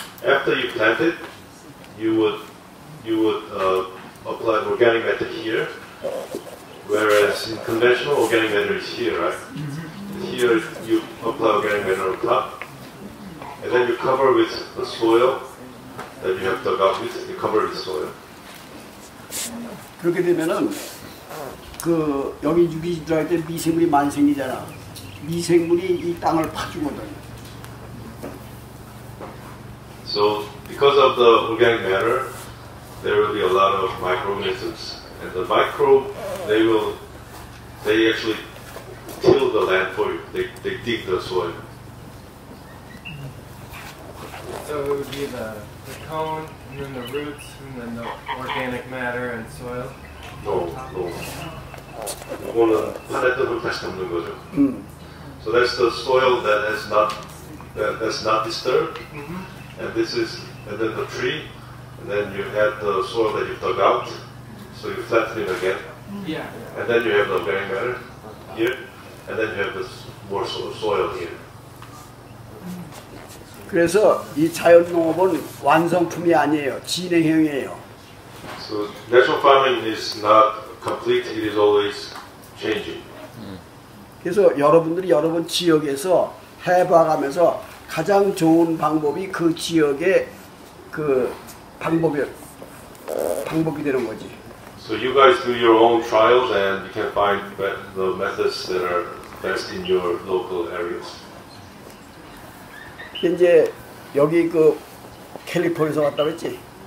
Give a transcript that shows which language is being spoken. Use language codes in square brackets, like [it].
[en] After you plant it, you would apply organic matter here, whereas in conventional organic matter is here, right? Mm-hmm. Here you apply organic matter on top, and then you cover with the soil that you have dug up with. You cover with soil. [ko] 그렇게 되면은 그 여기 유기질 들어갈 때 미생물이 많이 생기잖아. 미생물이 이 땅을 파주거든. [en] So because of the organic matter. There will be a lot of microorganisms, and the microbe, they actually till the land for you. They dig the soil. So it would be the cone, and then the roots, and then the organic matter and soil? No, no. [ko] 그거는 플랫도 물타시 없는 거죠. [en] So that's the soil that has not that's not disturbed, and this is and then the tree, and then you have the soil that you dug out, so you flatten it again. Yeah. And then you have the organic matter here, and then you have this more soil here. [ko] 그래서 이 자연 농업은 완성품이 아니에요. 진행형이에요. [en] So natural farming is not complete. It is always changing. [ko] 그래서 여러분들이 여러분 지역에서 해봐가면서 가장 좋은 방법이 그 지역의 그 방법이 되는 거지. [en] So you guys do your own trials and you can find the methods that are best in your local areas. [ko] 이제 여기 그 캘리포니아에서 왔다고 했지?